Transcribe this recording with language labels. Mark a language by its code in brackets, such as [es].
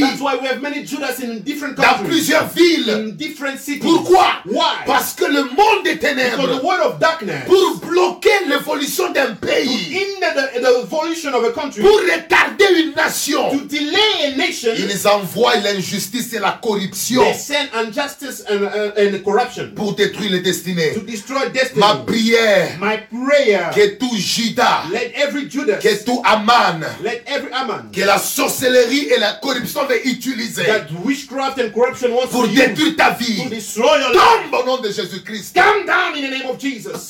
[en] That's why we have many Judas in different countries. [fr] Dans plusieurs villes. [en] In different cities. [fr] Pourquoi? [en] Why? [fr] Parce que le monde des ténèbres. [en] Because the world of darkness. [fr] Pour bloquer l'évolution d'un pays. [en] To hinder the evolution of a country. [fr] Pour retarder une nation. [en] To delay a nation. corruption. [fr] Ils envoient l'injustice et la corruption. [en] They send injustice and corruption. [fr] Pour détruire les destinées. [en] To destroy destiny. [fr] Ma prière. [en] My prayer. [fr] Que tout Judas. [en] Let every Judas. [fr] Que tout Aman. [en] Let every Aman. [fr] Que la sorcellerie et la corruption veut utiliser. [en] That witchcraft and corruption wants [fr] pour [en] to [fr] détruire [en] use [fr] ta vie. [en] To destroy your [fr] tombe [en] life. [fr] Au nom de Jésus Christ. [en] Come down in the name of Jesus.